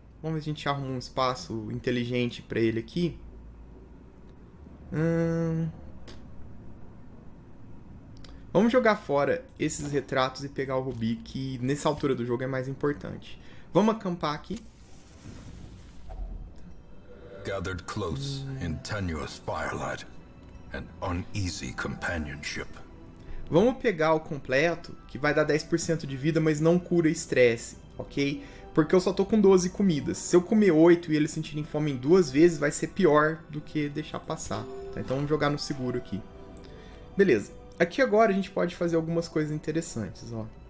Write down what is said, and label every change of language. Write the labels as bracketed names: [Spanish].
[Portuguese] Vamos ver se a gente arruma um espaço inteligente pra ele aqui. Vamos jogar fora esses retratos e pegar o rubi, que nessa altura do jogo é mais importante. Vamos acampar aqui. [English] Gathered close in tenuous firelight and uneasy companionship. [Portuguese] Vamos pegar o completo, que vai dar 10% de vida, mas não cura estresse, ok? Porque eu só tô com 12 comidas. Se eu comer 8 e eles sentirem fome em duas vezes, vai ser pior do que deixar passar. Tá? Então vamos jogar no seguro aqui. Beleza. Aqui agora a gente pode fazer algumas coisas interessantes, ó.